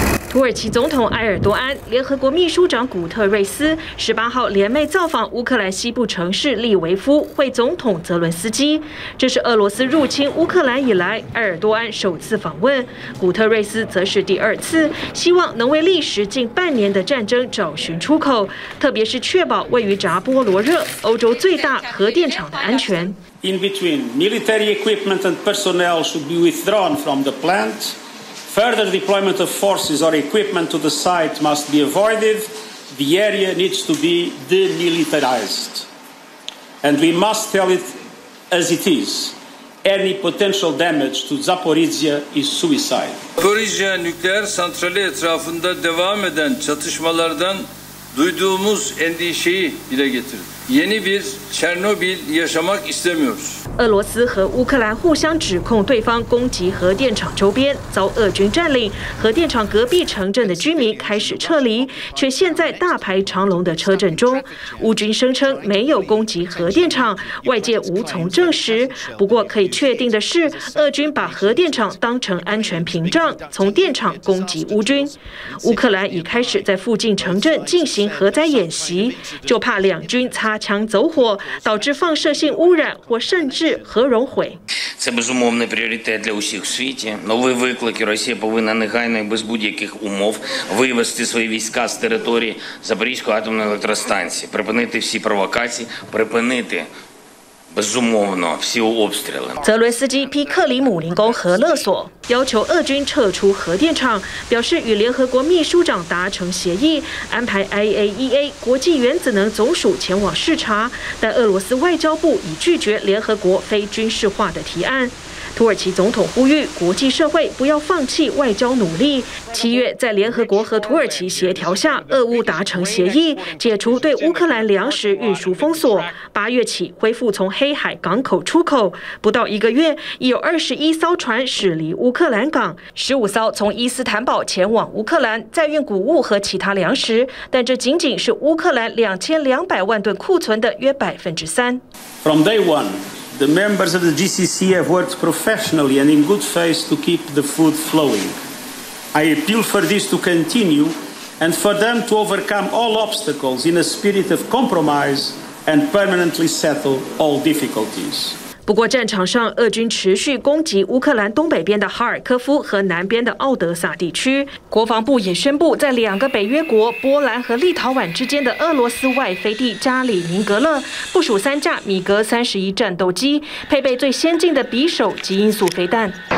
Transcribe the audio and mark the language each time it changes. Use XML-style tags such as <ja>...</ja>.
<zh>土耳其总统埃尔多安、联合国秘书长古特瑞斯18号联袂造访乌克兰西部城市利维夫，会总统泽伦斯基。这是俄罗斯入侵乌克兰以来埃尔多安首次访问，古特瑞斯则是第二次，希望能为历时近半年的战争找寻出口，特别是确保位于扎波罗热欧洲最大核电厂的安全。</zh> <en>In between, military equipment and personnel should be withdrawn from the plant. Further deployment of forces or equipment to the site must be avoided. The area needs to be demilitarized. And we must tell it as it is. Any potential damage to Zaporizhia is suicide.</en> <tr>Zaporizhia nükleer santrali etrafında devam eden çatışmalardan duyduğumuz endişeyi dile getirdi. Yeni bir Çernobil yaşamak istemiyoruz.</tr> <zh>俄罗斯和乌克兰互相指控对方攻击核电厂周边，遭俄军占领。核电厂隔壁城镇的居民开始撤离，却陷在大排长龙的车阵中。乌军声称没有攻击核电厂，外界无从证实。不过可以确定的是，俄军把核电厂当成安全屏障，从电厂攻击乌军。乌克兰已开始在附近城镇进行核灾演习，就怕两军擦枪走火，导致放射性污染或甚至核熔毁。</zh> <uk>Це безумовний пріоритет для усіх в світі. Нові виклики Росія повинна негайно і без будь-яких умов вивести свої війська з території Запорізької атомної електростанції, припинити всі провокації, припинити. Безумовно, всі обстріли.</uk> <zh>泽伦斯基批克里姆林宫核勒索，要求俄军撤出核电厂，表示与联合国秘书长达成协议，安排 IAEA 国际原子能总署前往视察，但俄罗斯外交部已拒绝联合国非军事化的提案。土耳其总统呼吁国际社会不要放弃外交努力。七月在联合国和土耳其协调下，俄乌达成协议，解除对乌克兰粮食运输封锁。八月起恢复从黑海港口出口。不到一个月，已有21艘船驶离乌克兰港，15艘从伊斯坦堡前往乌克兰，载运谷物和其他粮食。但这仅仅是乌克兰2200万吨库存的约3%。</zh> <en>From day one. The members of the GCC have worked professionally and in good faith to keep the food flowing. I appeal for this to continue and for them to overcome all obstacles in a spirit of compromise and permanently settle all difficulties.</en> <zh>不过，战场上俄军持续攻击乌克兰东北边的哈尔科夫和南边的奥德萨地区。国防部也宣布，在两个北约国波兰和立陶宛之间的俄罗斯外飞地扎里宁格勒部署三架米格31战斗机，配备最先进的匕首及音速飞弹。</zh>